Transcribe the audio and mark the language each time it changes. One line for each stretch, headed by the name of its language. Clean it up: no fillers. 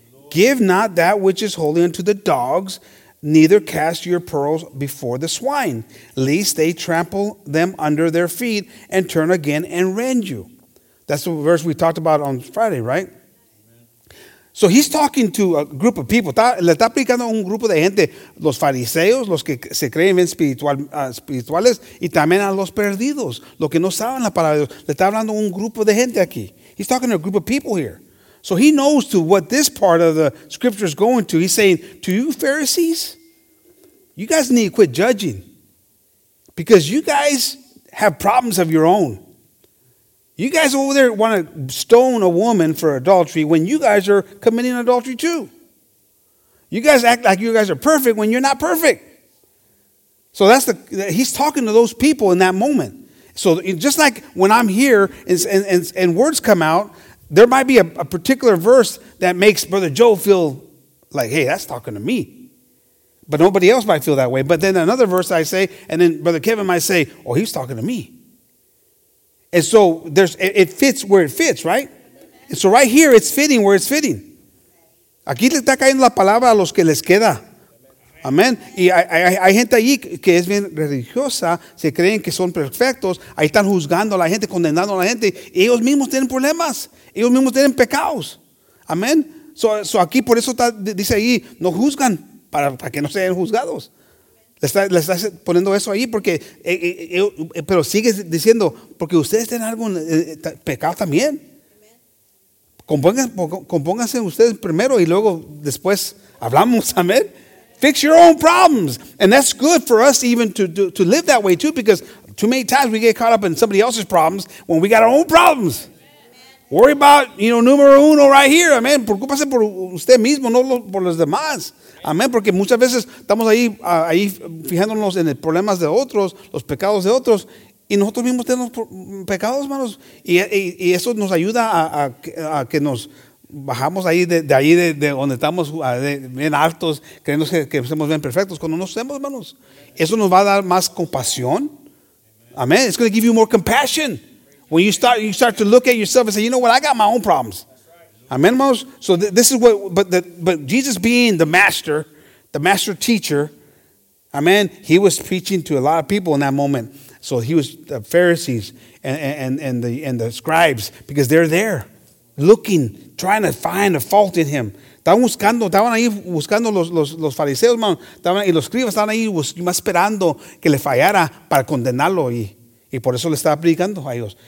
English: Give not that which is holy unto the dogs, neither cast your pearls before the swine, lest they trample them under their feet and turn again and rend you. That's the verse we talked about on Friday, right? So he's talking to a group of people.
Spanish: Le está aplicando a un grupo de gente, los fariseos, los que se creen bien espirituales, y también a los perdidos, los que no saben la palabra de Dios. Le está hablando a un grupo de gente aquí.
English: He's talking to a group of people here. So he knows to what this part of the scripture is going to. He's saying, to you Pharisees, you guys need to quit judging because you guys have problems of your own. You guys over there want to stone a woman for adultery when you guys are committing adultery too. You guys act like you guys are perfect when you're not perfect. So that's he's talking to those people in that moment. So just like when I'm here and words come out, there might be a particular verse that makes Brother Joe feel like, hey, that's talking to me. But nobody else might feel that way. But then another verse I say, and then Brother Kevin might say, oh, he's talking to me. And so it fits where it fits, right? And so right here, it's fitting where it's fitting.
Spanish: Aquí le está cayendo la palabra a los que les queda. Amén. Y hay gente allí que es bien religiosa, se creen que son perfectos, ahí están juzgando a la gente, condenando a la gente, y ellos mismos tienen problemas, ellos mismos tienen pecados. Amén. So aquí por eso dice ahí, no juzgan para que no sean juzgados. Le está poniendo eso ahí porque, pero sigue diciendo, porque ustedes tienen algún pecado también. Compónganse ustedes primero y luego después hablamos, amén.
English: Fix your own problems. And that's good for us even to live that way too, because too many times we get caught up in somebody else's problems when we got our own problems. Amen. Worry about, you know,
Spanish: número uno
English: right here, amén.
Spanish: Preocúpese por usted mismo, no por los demás. Amén, porque muchas veces estamos ahí fijándonos en los problemas de otros, los pecados de otros, y nosotros mismos tenemos pecados, hermanos, y eso nos ayuda a que nos bajamos ahí de donde estamos bien altos, creyendo que somos bien perfectos, cuando no somos, hermanos. Eso nos va a dar más compasión. Amén.
English: It's going to give you more compassion. When you start to look at yourself and say, you know what, I got my own problems. Amen, hermanos. So this is what, but Jesus being the master teacher, amen, he was preaching to a lot of people in that moment. So he was the Pharisees and the scribes, because they're there looking, trying to find a fault in him.
Spanish: Estaban ahí buscando los fariseos, y los escribas estaban ahí más esperando que le fallara para condenarlo. Y por eso le estaba predicando a ellos.